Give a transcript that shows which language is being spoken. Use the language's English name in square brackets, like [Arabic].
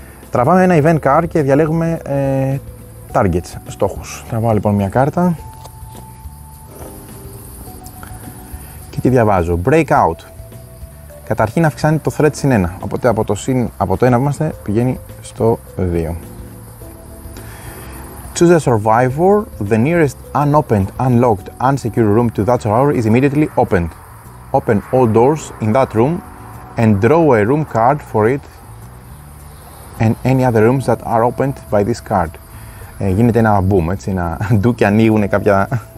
[Greek] Τραβάμε ένα event card και διαλέγουμε targets, στόχους. Τραβάω λοιπόν μια κάρτα. Και τι διαβάζω, breakout. Καταρχήν αυξάνει το threat συν 1, οπότε από το, συν, από το 1 που είμαστε πηγαίνει στο 2. [English] Choose a survivor, the nearest unopened, unlocked, unsecured room to that survivor is immediately opened. Open all doors in that room and draw a room card for it and any other rooms that are opened by this card. [Greek] Γίνεται ένα boom, έτσι, ένα ντου και ανοίγουν κάποια...